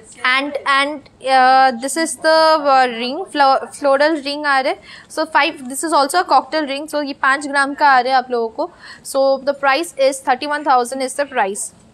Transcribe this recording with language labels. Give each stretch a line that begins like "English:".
English: And this is the ring, floral ring
Hindi: आ रहे.
English: So 5, this is also a cocktail ring.
Hindi: So ये 5 ग्राम का आ रहे आप लोगों को.
English: So the price is 31,000 is the price.